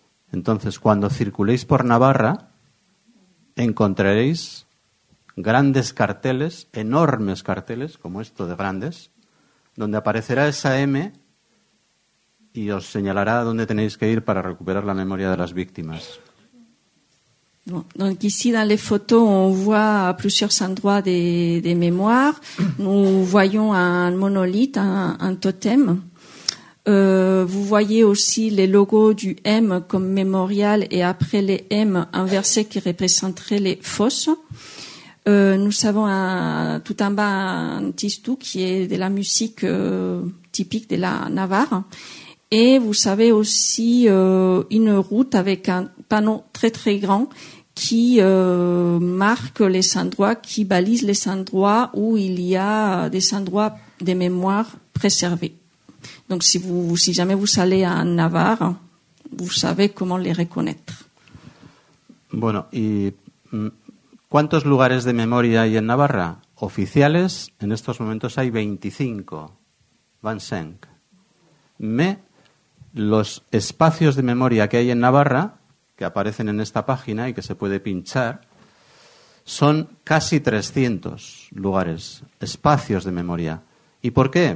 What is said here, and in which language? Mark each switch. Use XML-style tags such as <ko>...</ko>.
<es>Entonces, cuando circuléis por Navarra, encontraréis grandes carteles, enormes carteles, como esto de grandes, donde aparecerá esa M y os señalará dónde tenéis que ir para recuperar la memoria de las víctimas.</es> <fr>Bon, donc ici, dans les photos, on voit à plusieurs endroits des mémoires. Nous voyons un monolithe, un totem. Vous voyez aussi les logos du M comme mémorial et après les M inversés qui représenteraient les fosses. Nous avons tout en bas un tistou qui est de la musique typique de la Navarre. Et vous avez aussi une route avec un panneau très très grand qui marque les endroits, qui balise les endroits où il y a des endroits de mémoire préservés. Donc si jamais vous allez à Navarre, vous savez comment les reconnaître.</fr> <es>Bueno, y ¿cuántos lugares de memoria hay en Navarra? Oficiales, en estos momentos hay 25.</es> <fr>Van Senk.</fr> <es>Los espacios de memoria que hay en Navarra, que aparecen en esta página y que se puede pinchar, son casi 300 lugares, espacios de memoria. ¿Y por qué?</es>